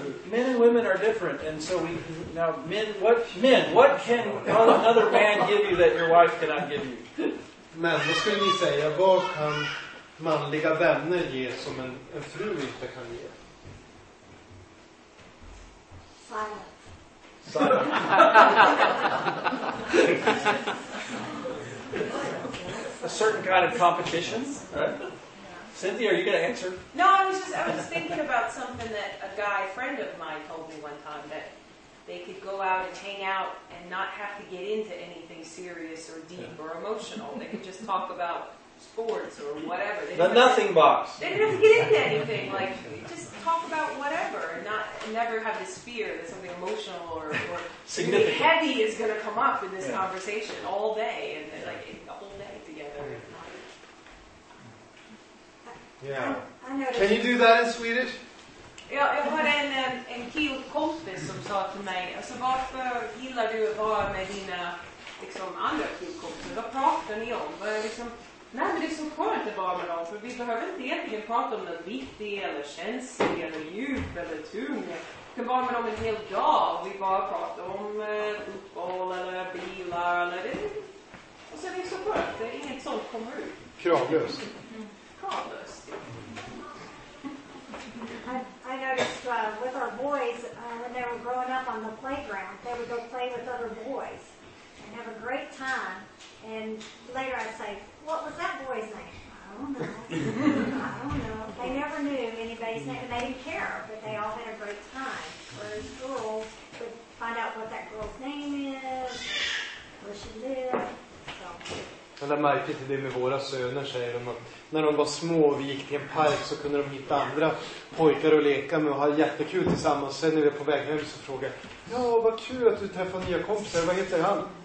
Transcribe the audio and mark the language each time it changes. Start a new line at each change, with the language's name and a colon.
English: Men and women are different, and so we now what can another man give you that your wife cannot give you?
Swedish: Men vad skulle ni säga, vad kan manliga vänner ge som en fru inte kan ge?
English: Silence. A certain kind of competition, right? Cynthia, are you going to answer? No, I was thinking about something that a guy friend of mine told me one time, that they could go out and hang out and not have to get into anything serious or deep or emotional. They could just talk about sports or whatever. The nothing box. They didn't have to get into anything. Like, just talk about whatever, not never have this fear that something emotional or significant heavy is going to come up in this conversation all day and like a whole day together. Can you do that in Swedish?
Swedish: Ja, jag har en kille kompis som sa till mig, alltså varför gillar du att vara med dina liksom andra killkompisar? Vad pratar ni om? Vad är liksom, nej, men det är så skönt att vara med dem, för vi behöver inte egentligen prata om något viktigt eller känslig eller djup eller tung. Vi kan vara med dem en hel dag. Vi bara pratar om fotboll eller bilar eller det. Och så är det så skönt, det är inget sånt kommer ut. Kravlöst. Kravlöst, ja.
English: I noticed with our boys, when they were growing up on the playground, they would go play with other boys and have a great time. And later I'd say, what was that boy's name? I don't know. I don't know. They never knew anybody's name, and they didn't care, but they all had a great time. Whereas girls would find out what that girl's name is, where she lived, so...
Swedish: Jag lade märke till det med våra söner, säger de, att när de var små och vi gick till en park så kunde de hitta andra pojkar och leka med och ha jättekul tillsammans. Sen är vi på väg hem så frågar jag, ja vad kul att du träffar nya kompisar, vad heter han?